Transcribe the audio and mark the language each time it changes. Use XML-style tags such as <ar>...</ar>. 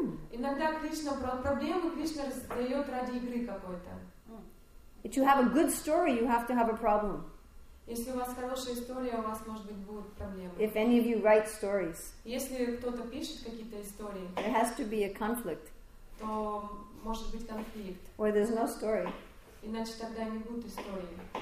<ru>Иногда Кришна проблемы Кришна дает ради игры какой-то.</ru> <en>If you have a good story, you have to have a problem.</en> <ru>Если у вас хорошая история, у вас может быть будут проблемы.</ru> <en>If any of you write stories,</en> <ru>если кто-то пишет какие-то истории,</ru> <en>there has to be a conflict.</en> <ru>То может быть конфликт.</ru> <en>Or there's no story.</en> <ru>Иначе тогда не будет истории.</ru>